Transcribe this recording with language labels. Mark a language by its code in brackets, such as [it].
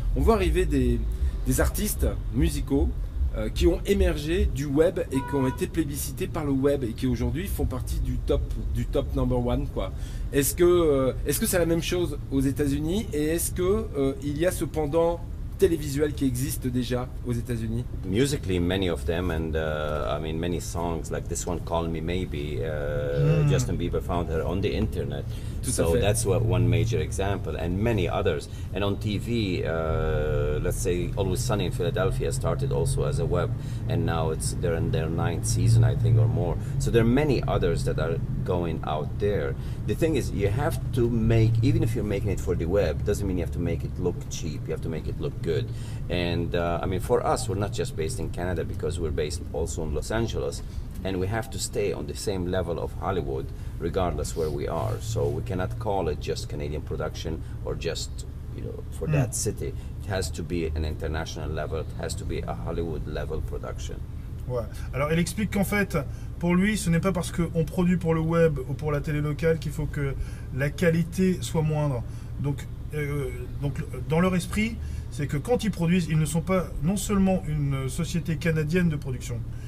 [fr] On voit arriver des artistes musicaux qui ont émergé du web et qui ont été plébiscités par le web et qui aujourd'hui font partie du top number one, quoi. Est-ce que c'est la même chose aux États-Unis et est-ce que il y a cependant télévisuel qui existe déjà aux États-Unis? [en] Musically, many of them, and I mean, many songs like this one, "Call Me Maybe," Justin Bieber found her on the internet. So that's what one major example, and many others. And on TV, let's say "Always Sunny in Philadelphia" started also as a web, and now they're in their ninth season, I think, or more. So there are many others that are going out there. The thing is, you have to make, even if you're making it for the web, doesn't mean you have to make it look cheap. You have to make it look good. And I mean, for us, we're not just based in Canada because we're based also in Los Angeles. And we have to stay on the same level of Hollywood, regardless where we are. So we cannot call it just Canadian production or just, you know, for that city. It has to be an international level. It has to be a Hollywood level production. [fr] Ouais. Alors, il explique qu'en fait, pour lui, ce n'est pas parce qu'on produit pour le web ou pour la télé locale qu'il faut que la qualité soit moindre. Donc, dans leur esprit, c'est que quand ils produisent, ils ne sont pas non seulement une société canadienne de production.